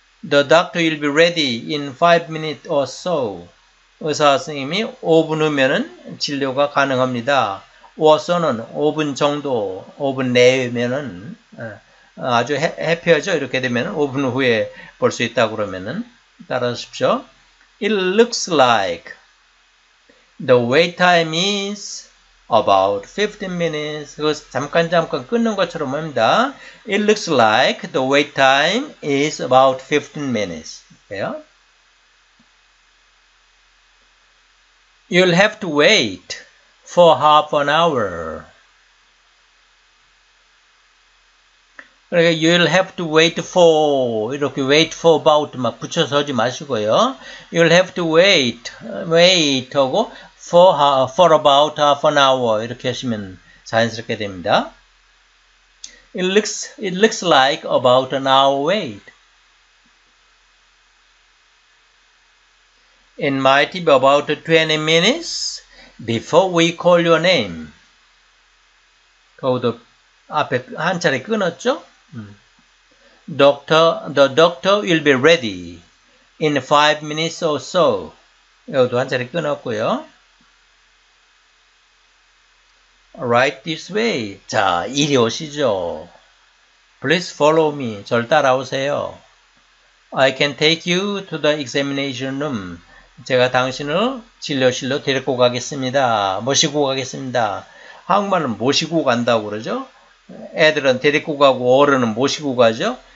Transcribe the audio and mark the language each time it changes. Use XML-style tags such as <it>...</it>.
<en>The doctor will be ready in 5 minutes or so.</en> <ko>의사 선생님이 5분 후면은 진료가 가능합니다. Or so는 5분 정도, 5분 내면은 아주 해피하죠. 이렇게 되면 5분 후에 볼 수 있다 그러면은 따라하십시오.</ko> <en>It looks like the wait time is about 15 minutes.</en> <ko>그것 잠깐 끊는 것처럼 합니다.</ko> <en>It looks like the wait time is about 15 minutes.</en> <ko>그래요?</ko> <en>You'll have to wait for half an hour.</en> <ko>그러니까</ko> <en>you'll have to wait for</en> <ko>이렇게</ko> <en>wait for about</en> <ko>막 붙여서 하지 마시고요.</ko> <en>You'll have to wait</en> <ko>하고</ko> <en>for about half an hour</en> <ko>이렇게 하시면 자연스럽게 됩니다.</ko> <en>It looks like about an hour wait. It might be about 20 minutes before we call your name.</en> <ko>거기도 앞에 한 차례 끊었죠?</ko> <en>The doctor will be ready in 5 minutes or so.</en> <ko>여기도 한 자리 끊었고요.</ko> <en>Right this way.</en> <ko>자, 이리 오시죠.</ko> <en>Please follow me.</en> <ko>절 따라오세요.</ko> <en>I can take you to the examination room.</en> <ko>제가 당신을 진료실로 데리고 가겠습니다. 모시고 가겠습니다. 한국말은 모시고 간다고 그러죠. 애들은 데리고 가고 어른은 모시고 가죠.</ko>